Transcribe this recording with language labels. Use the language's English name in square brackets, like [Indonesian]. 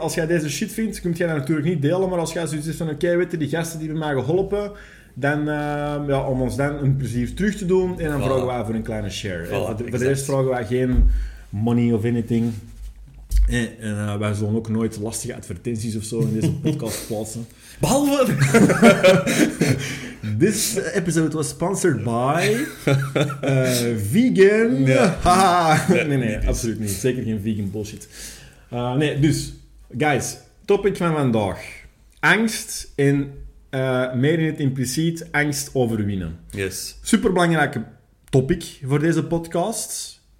[Dutch] Als jij deze shit vindt, kun jij dat natuurlijk niet delen. Maar als jij zoiets is van, oké, weet je, die gasten die bij mij geholpen... Dan, ja, om ons dan een plezier terug te doen. En dan vragen wij voor een kleine share. Voilà, voor de rest vragen wij geen [English] money of anything. [Dutch] En wij zullen ook nooit lastige advertenties of zo in deze podcast plaatsen. Behalve... [English] This episode was sponsored by... [Dutch] vegan. Ja. nee, niet absoluut dus. Niet. Zeker geen vegan bullshit. Nee, dus. Guys, topic van vandaag. Angst en... meer in het impliciet, angst overwinnen. Yes. Superbelangrijke topic voor deze podcast.